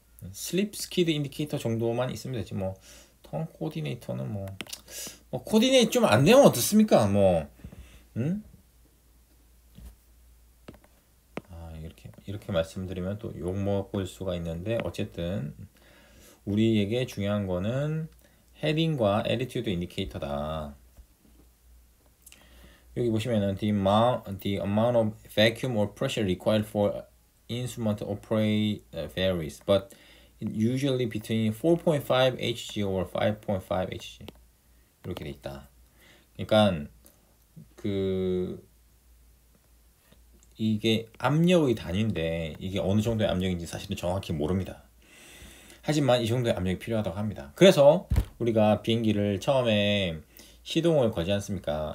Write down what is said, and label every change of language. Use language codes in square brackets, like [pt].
[ko] 슬립 스키드 인디케이터 정도만 있으면 되지 뭐 턴 코디네이터는 뭐 코디네이 좀 안 되면 어떻습니까? 뭐 이렇게 말씀드리면 또 욕 먹을 수가 있는데 어쨌든 우리에게 중요한 거는 헤딩과 애티튜드 인디케이터다. 여기 보시면은 [en] the amount of vacuum or pressure required for instrument operate varies but usually between 4.5 hg or 5.5 hg [ko] 이렇게 돼 있다. 그러니까 그 이게 압력의 단위인데 이게 어느 정도의 압력인지 사실은 정확히 모릅니다. 하지만 이 정도의 압력이 필요하다고 합니다. 그래서 우리가 비행기를 처음에 시동을 걸지 않습니까?